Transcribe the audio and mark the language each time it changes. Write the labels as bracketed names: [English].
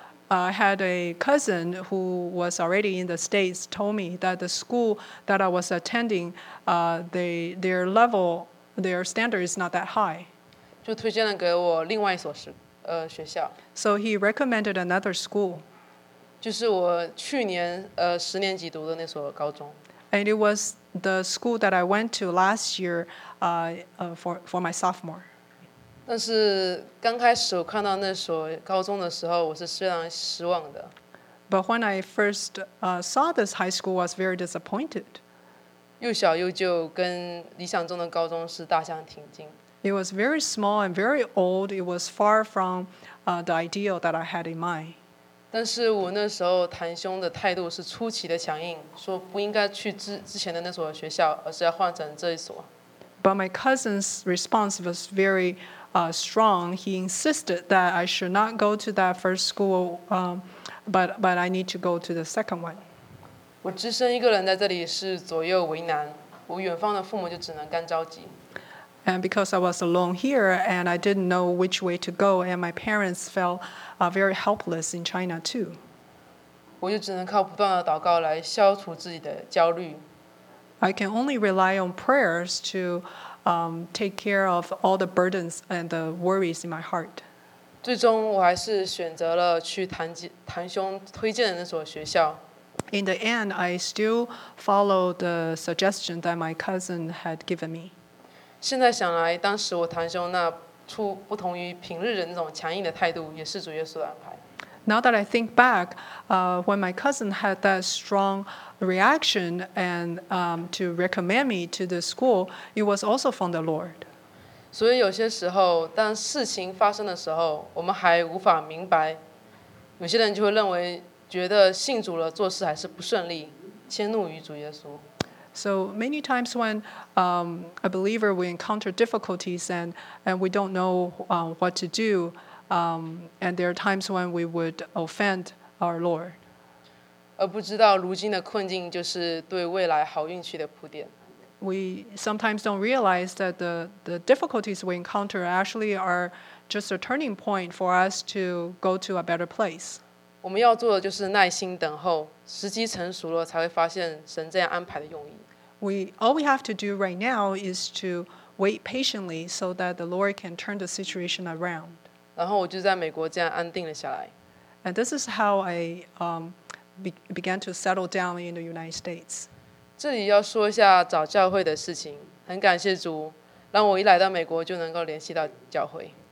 [English] I had a cousin who was already in the States told me that the school that I was attending, their standard is not that high. [Chinese] 就推荐了给我另外一所学校。 [English] So he recommended another school. [Chinese] 就是我去年十年级读的那所高中。 [English] And it was the school that I went to last year for my sophomore. [Chinese] 但是刚开始我看到那所高中的时候，我是非常失望的。 [English] But when I first saw this high school, I was very disappointed. [Chinese] 又小又旧，跟理想中的高中是大相庭径。 [English] It was very small and very old. It was far from the ideal that I had in mind. [Chinese] 但是我那时候堂兄的态度是出奇的强硬，说不应该去之前的那所学校，而是要换成这一所。 [English] But my cousin's response was very strong. He insisted that I should not go to that first school, but I need to go to the second one. [Chinese] 我只身一个人在这里是左右为难，我远方的父母就只能干着急。 [English] And because I was alone here, and I didn't know which way to go, and my parents felt very helpless in China too. [Chinese] 我就只能靠不断的祷告来消除自己的焦虑。 [English] I can only rely on prayers to take care of all the burdens and the worries in my heart. [Chinese] 最终，我还是选择了去堂兄推荐的那所学校。 [English] In the end, I still followed the suggestion that my cousin had given me. [Chinese] 现在想来，当时我堂兄那出不同于平日的那种强硬的态度，也是主耶稣的安排。 [English] Now that I think back, when my cousin had that strong reaction and to recommend me to the school, it was also from the Lord. [Chinese] 所以有些时候，当事情发生的时候，我们还无法明白，有些人就会认为觉得信主了做事还是不顺利，迁怒于主耶稣。 [English] So many times when a believer we encounter difficulties and we don't know what to do, and there are times when we would offend our Lord. [Chinese] 而不知道如今的困境就是对未来好运气的铺垫。 [English] We sometimes don't realize that the difficulties we encounter actually are just a turning point for us to go to a better place. [Chinese] 我们要做的就是耐心等候，时机成熟了才会发现神这样安排的用意。 [English] All we have to do right now is to wait patiently so that the Lord can turn the situation around. [Chinese] 然后我就在美国这样安定了下来。 [English] And this is how I began to settle down in the United States. [Chinese] 这里要说一下找教会的事情，很感谢主，让我一来到美国就能够联系到教会。